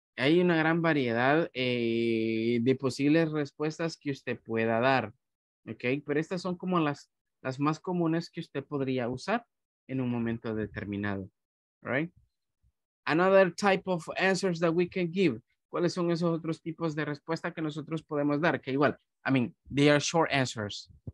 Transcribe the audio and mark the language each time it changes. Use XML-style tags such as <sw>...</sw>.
<es>Hay una gran variedad de posibles respuestas que usted pueda dar, okay? Pero estas son como las más comunes que usted podría usar. en un momento determinado, right?</es> <en>Another type of answers that we can give.</en> <es>¿Cuáles son esos otros tipos de respuesta que nosotros podemos dar? Que igual,</es> <en>I mean, they are short answers.</en>